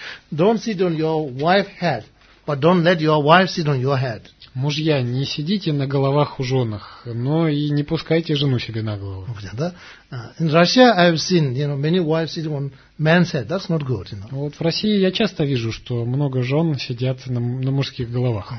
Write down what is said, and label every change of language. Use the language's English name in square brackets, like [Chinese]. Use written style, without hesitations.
[English] Don't sit on your wife's head, but don't let your wife sit on your head. [Russian] Мужья, не сидите на головах у женах, но и не пускайте жену себе на голову. Понял, да? [English] In Russia I've seen, you know, many wives sit on men's head. That's not good, you know. [Russian] Вот в России я часто вижу, что много жен сидят на мужских головах.